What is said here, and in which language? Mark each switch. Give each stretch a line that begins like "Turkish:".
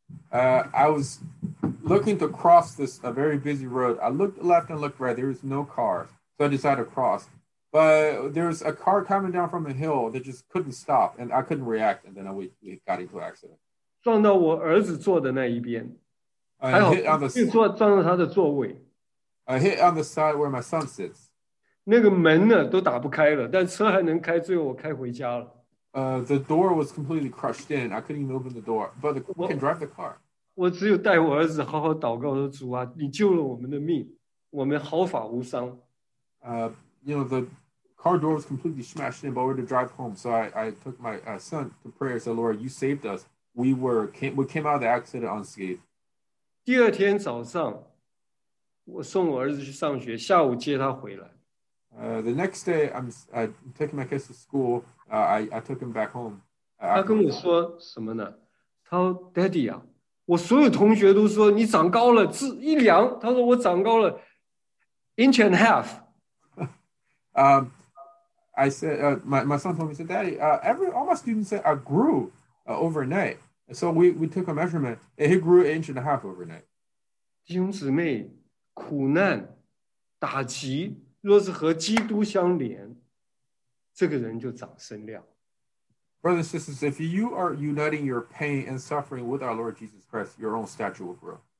English: I was looking to cross this a very busy road. I looked left and looked right. There was no car, so I decided to cross. But there was a car coming down from the hill that just couldn't stop, and I couldn't react, and then we got into an accident.
Chinese: 撞到我儿子坐的那一边，撞到他的座位。
English: I hit on the side where my son sits.
Chinese: 那个门呢都打不开了，但车还能开，最后我开回家了。
English: The door was completely crushed in. I couldn't even open the door. But I can drive the car.
Chinese: 我只有带我儿子好好祷告，说主啊，你救了我们的命，我们毫发无伤。
English: The car door was completely smashed in, but we were to drive home. So I took my son to prayer. Said, Lord, you saved us. We came out of the accident unscathed.
Chinese: 第二天早上，我送我儿子去上学，下午接他回来。
English: The next day, I'm taking my kids to school. I took him back home.
Chinese: 他跟我说什么呢？他说，Daddy啊，我所有同学都说你长高了，一量。他说我长高了，
English: inch and a half. I said, my son told me, said, Daddy, all my students said I grew overnight. So we took a measurement, and he grew an inch and a half overnight.
Chinese: 弟兄姊妹, 苦难, 打击, 若是和基督相连, 这个人就长身量。
English: Brothers and sisters, if you are uniting your pain and suffering with our Lord Jesus Christ, your own stature will grow.